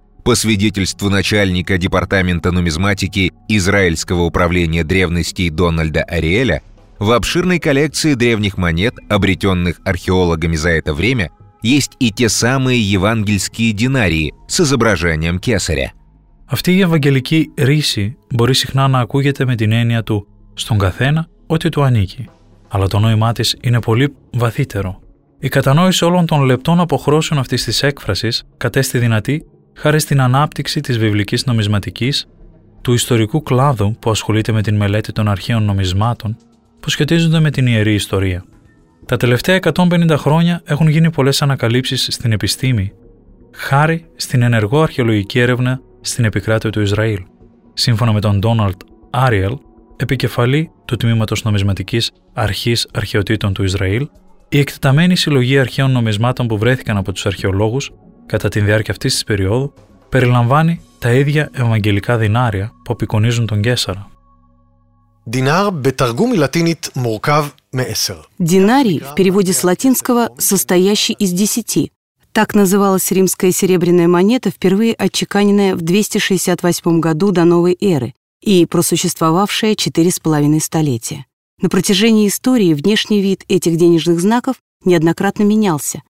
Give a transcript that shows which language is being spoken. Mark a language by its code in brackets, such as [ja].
[ru] По свидетельству начальника департамента нумизматики Израильского управления древностей Дональда Ариэля, в обширной коллекции древних монет, обретенных археологами за это время, есть и те самые евангельские динарии с изображением кесаря. [el] Αυτή η ευαγγελική ρίση μπορεί συχνά να ακούγεται με την έννοια του «στον καθένα ό,τι του ανήκει». Αλλά το νόημά της είναι πολύ βαθύτερο. Η κατανόηση όλων των λεπτών αποχρώσεων αυτής της έκφρασης κατέστη δυνατή χάρη στην ανάπτυξη της βιβλικής νομισματικής, του ιστορικού κλάδου που ασχολείται με την μελέτη των αρχαίων νομισμάτων που σχετίζονται με την ιερή ιστορία. Τα τελευταία 150 χρόνια έχουν γίνει πολλές ανακαλύψεις στην επιστήμη, χάρη στην ενεργό αρχαιολογική έρευνα στην επικράτεια του Ισραήλ, σύμφωνα με τον Ντόναλντ Άριελ, επικεφαλή του Τμήματος Νομισματικής Αρχής Αρχαιοτήτων του Ισραήλ, η εκτεταμένη συλλογή αρχαίων νομισμάτων που βρέθηκαν από τους αρχαιολόγους κατά τη διάρκεια αυτής της περίοδου, περιλαμβάνει τα ίδια ευαγγελικά δινάρια που απεικονίζουν τον Κέσαρα. [he] Δινάρ μπεταργούμι λατίνιτ μορκάβ με έσερ. [ru] Δινάρι, в переводе с латинского, состоящий из десяти. Так называлась римская серебряная монета, впервые отчеканенная в 268 году до новой эры и просуществовавшая 4,5 столетия. На протяжении истории внешний вид этих денежных знаков неоднократно менялся.